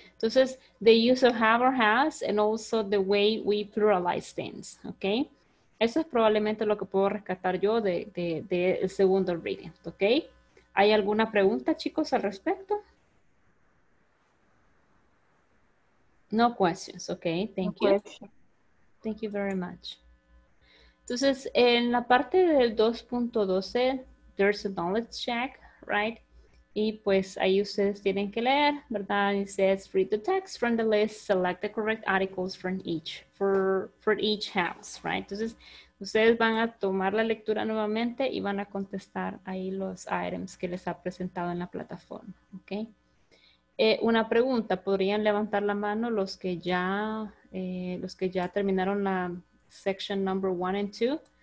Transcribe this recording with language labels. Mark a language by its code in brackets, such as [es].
[en] Entonces, the use of have or has and also the way we pluralize things, ¿ok? [es] Eso es probablemente lo que puedo rescatar yo de el segundo reading, ¿ok? ¿Hay alguna pregunta, chicos, al respecto? [en] No questions, okay, thank you. Thank you very much. [es] Entonces, en la parte del 2.12, [en] there's a knowledge check, right? [es] Y pues ahí ustedes tienen que leer, ¿verdad? [en] It says, read the text from the list, select the correct articles from each, for each house, right? [es] Entonces, ustedes van a tomar la lectura nuevamente y van a contestar ahí los items que les ha presentado en la plataforma, okay? Una pregunta, ¿podrían levantar la mano los que ya terminaron la [en] section number 1 and 2?